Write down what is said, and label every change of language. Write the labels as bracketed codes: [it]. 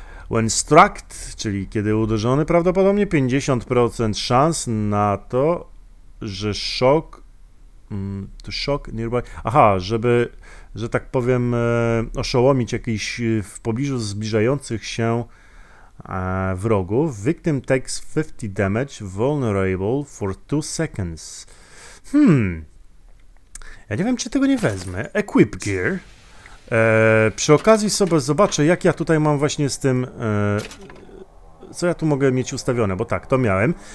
[en] When struck, [pl] czyli kiedy uderzony, prawdopodobnie 50% szans na to, że szok... to szok nearby... Aha, żeby, że tak powiem, oszołomić jakiś w pobliżu zbliżających się wrogów. [en] Victim takes 50 damage, vulnerable for 2 seconds. [pl] Ja nie wiem, czy tego nie wezmę. [en] Equip gear. [pl] Przy okazji sobie zobaczę, jak ja tutaj mam właśnie z tym, co ja tu mogę mieć ustawione, bo tak, to miałem.